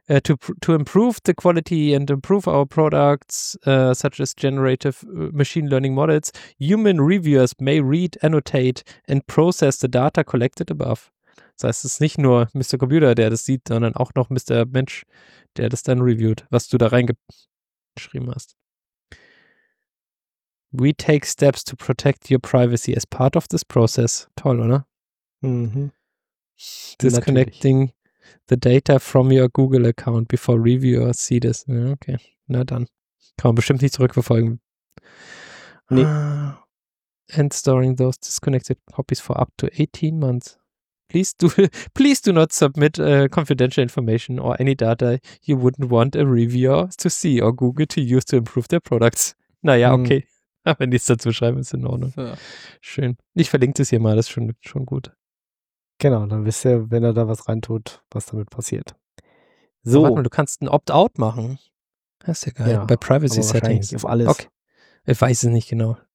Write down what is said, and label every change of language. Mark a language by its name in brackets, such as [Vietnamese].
[English] To improve the quality and improve our products, such as generative machine learning models, human reviewers may read, annotate and process the data collected above. [German] Das heißt, es ist nicht nur Mr. Computer, der das sieht, sondern auch noch Mr. Mensch, der das dann reviewt, was du da reingeschrieben hast. [English] We take steps to protect your privacy as part of this process. [German] Toll, oder? Mhm. [English] Disconnecting the data from your Google account before reviewers see this. [German] Okay, na dann. Kann man bestimmt nicht zurückverfolgen. Nee. [English] And storing those disconnected copies for up to 18 months. Please do not submit confidential information or any data you wouldn't want a reviewer to see or Google to use to improve their products. [German] Naja, okay. Wenn die es dazu schreiben, ist in Ordnung. Ja. Schön. Ich verlinke das hier mal, das ist schon gut. Genau, dann wisst ihr, wenn er da was reintut, was damit passiert. So. Warte mal, du kannst ein Opt-out machen. Das ist ja geil. Ja, bei Privacy Settings. Auf alles. Okay. Ich weiß es nicht genau.